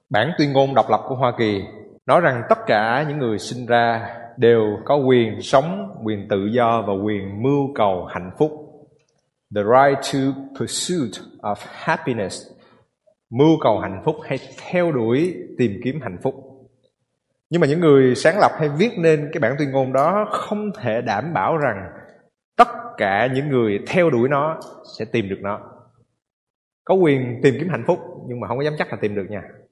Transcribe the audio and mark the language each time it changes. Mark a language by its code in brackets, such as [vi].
[vi] Bản tuyên ngôn độc lập của Hoa Kỳ nói rằng tất cả những người sinh ra đều có quyền sống, quyền tự do và quyền mưu cầu hạnh phúc. [en] The right to pursuit of happiness. [vi] Mưu cầu hạnh phúc hay theo đuổi, tìm kiếm hạnh phúc. Nhưng mà những người sáng lập hay viết nên cái bản tuyên ngôn đó không thể đảm bảo rằng tất cả những người theo đuổi nó sẽ tìm được nó. Có quyền tìm kiếm hạnh phúc nhưng mà không có dám chắc là tìm được nha.